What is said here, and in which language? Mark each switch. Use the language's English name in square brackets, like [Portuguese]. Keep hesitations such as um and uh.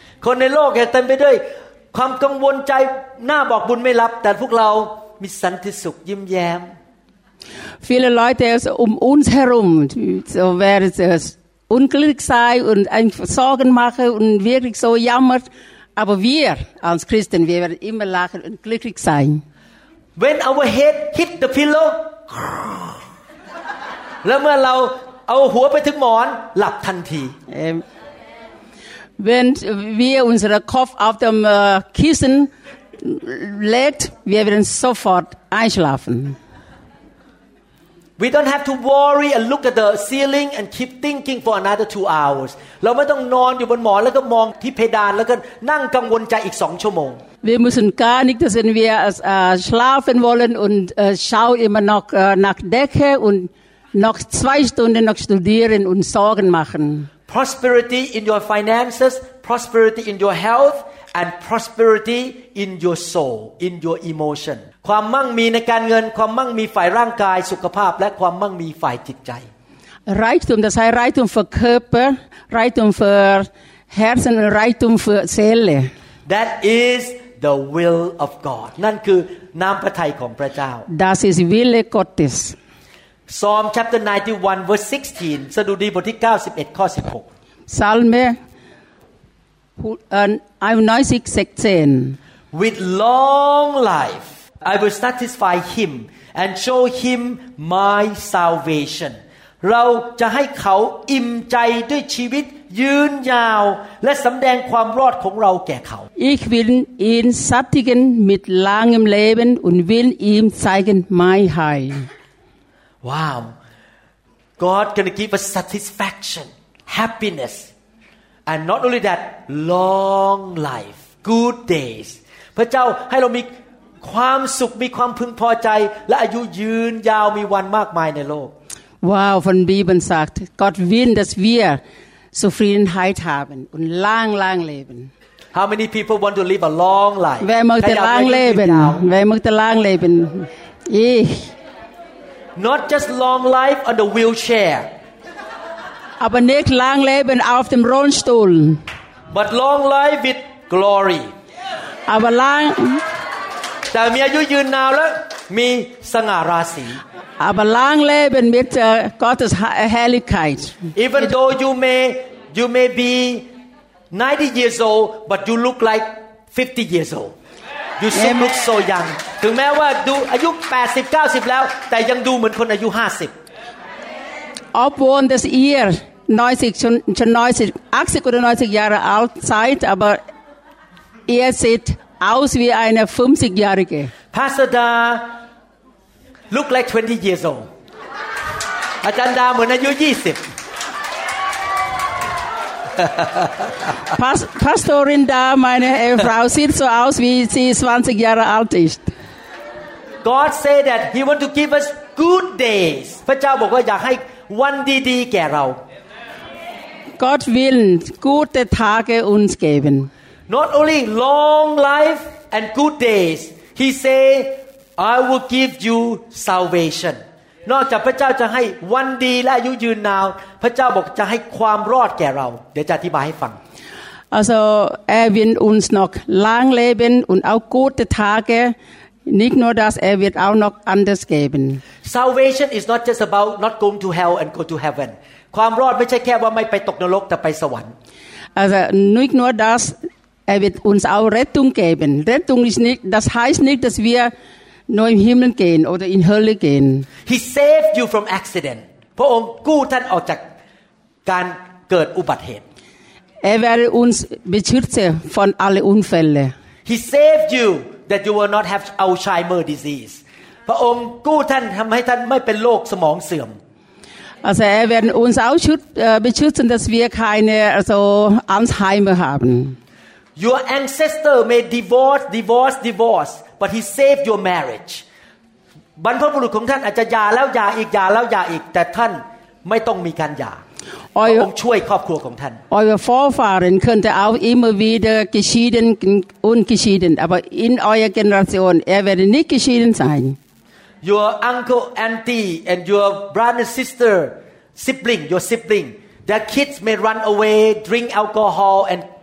[Thai] คนในโลกเนี่ยเต็มไปด้วย ความกังวลใจหน้าบอกบุญไม่รับ แต่พวกเรามีสันติสุขยิ้มแย้ม [German] Viele Leute also um uns herum, die- so werden es unglücklich sein und einfach Sorgen machen und wirklich so jammert. Aber wir als Christen, wir werden immer lachen und glücklich sein. [English] when our head hit the pillow [Thai] แล้วเมื่อเราเอาหัวไปถึงหมอนหลับทันที [German] Ähm, wenn wir unseren Kopf auf dem äh, Kissen legt, wir werden sofort einschlafen. [English] we don't have to worry and look at the ceiling and keep thinking for another two hours [Thai] เราไม่ต้องนอนอยู่บนหมอนแล้วก็มองที่เพดานแล้วก็นั่งกังวลใจอีกสองชั่วโมง [German] Wir müssen gar nicht, dass wenn wir äh, schlafen wollen und äh, schauen immer noch äh, nach Decke und noch zwei Stunden noch studieren und Sorgen machen. [English] prosperity in your finances prosperity in your health and prosperity in your soul in your emotion [Thai] ความมั่งมีในการเงิน ความมั่งมีฝ่ายร่างกายสุขภาพ และความมั่งมีฝ่ายจิตใจ [German] Reichtum, das heißt Reichtum für Körper, Reichtum für Herzen und Reichtum für Seele. [English] That is the will of God [Thai] นั่นคือน้ำพระทัยของพระเจ้า [German] Das ist Wille Gottes. [English] Psalm chapter 91 verse 16 [Thai] สดุดีบทที่ 91 ข้อ [German] Psalme hu- äh, 91, 16. [English] 16 With long life I will satisfy him and show him my salvation [Thai] เราจะให้เขาอิ่มใจด้วยชีวิตยืนยาว และสำแดงความรอดของเราแก่เขา [German] Ich will ihn sattigen mit langem Leben und will ihm zeigen mein Heil. [English] Wow. God gonna give us satisfaction, happiness. And not only that, long life, good days. [Thai] พระเจ้าให้เรามีความสุข มีความพึงพอใจ และอายุยืนยาวมีวันมากมายในโลก [German] Wow, von Bibel sagt, Gott will, dass wir Zufriedenheit haben und lang, lang leben. [English] How many people want to live a long life? [German] Wer [Thai] ใคร [German] möchte [Thai] อยาก [German] lang [Thai] มีชีวิต [German] leben? [Thai] ยาว [German] Wer möchte lang leben? Ich. [English] Not just long life on the wheelchair, [German] Aber nicht lang leben auf dem Rollstuhl. [English] but long life with glory. [German] Aber lang, [Thai] แต่มีอายุยืนนานแล้วมีสง่าราศี [German] aber lang leben mit äh, Gottes Ha- Herrlichkeit. [English] Even though you may you may be 90 years old but you look like 50 years old you still Amen. look so young [Thai] ถึงแม้ว่าดูอายุ 80 90 แล้ว แต่ยังดูเหมือนคนอายุ [German] Obwohl dass ihr 90, schon, schon 90, 80 oder 90 Jahre alt seid, aber ihr seht aus wie eine 50-Jährige. [English] 50 Pastor Da look like 20 years old [Thai] อาจารย์ดาเหมือนอายุ 20 [German] Pas Pastorin da, meine Ehefrau, sieht so aus, wie sie 20 Jahre alt ist. [English] God say that He want to give us good days [Thai] พระเจ้าบอกว่าอยากให้วันดีๆ แก่เรา [German] Gott will gute Tage uns geben. [English] Not only long life and good days, he say, I will give you salvation. [Thai] นอกจากพระเจ้าจะให้วันดีและอายุยืนนาว พระเจ้าบอกจะให้ความรอดแก่เรา เดี๋ยวจะอธิบายให้ฟัง [German] Also er will uns noch lang leben und auch gute Tage. Nicht nur das, er wird auch noch anders geben. [English] Salvation is not just about not going to hell and go to heaven [Thai] ความรอดไม่ใช่แค่ว่าไม่ไปตกนรกแต่ไปสวรรค์ [German] Also nicht nur das, er wird uns auch Rettung geben. Rettung ist nicht, das heißt nicht, dass wir nur im Himmel gehen oder in Hölle gehen. [English] He saved you from accident [Thai] พระองค์กู้ท่านออกจากการเกิดอุบัติเหตุ [German] Er werde uns beschützen von alle Unfälle. [English] He saved you that you will not have Alzheimer disease [Thai] พระองค์กู้ท่านทำให้ท่านไม่เป็นโรคสมองเสื่อม [German] Also er werden uns auch schüt- äh, beschützen, dass wir keine also Alzheimer haben. [English] Your ancestor may divorce divorce divorce but he saved your marriage [Thai] บรรพบุรุษของท่านอาจจะหย่าแล้วหย่าอีกหย่าแล้วหย่าอีกแต่ท่านไม่ต้องมีการหย่าพระอง ค์ช่วยครอบครัวของท่าน [German] eure Vorfahren könnte auch immer wieder geschieden und geschieden, aber in eurer Generation, er werde nicht geschieden sein. [English] Your uncle auntie and your brother sister sibling your sibling their kids may run away drink alcohol and